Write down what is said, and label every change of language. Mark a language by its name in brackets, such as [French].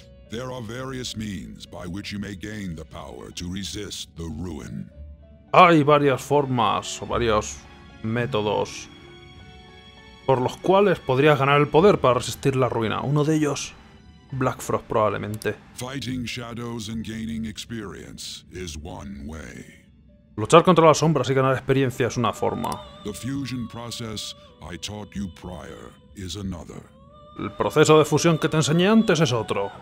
[English] There are various means by which you may gain the power to resist the ruin. [Spanish] Hay varias formas o varios métodos por los cuales podrías ganar el poder para resistir la ruina. Uno de ellos, Black Frost, probablemente. [English] Fighting shadows and gaining experience is one way. [Spanish] Luchar contra las sombras y ganar experiencia es una forma. [English] The fusion process I taught you prior is another. [Spanish] El proceso de fusión que te enseñé antes es otro.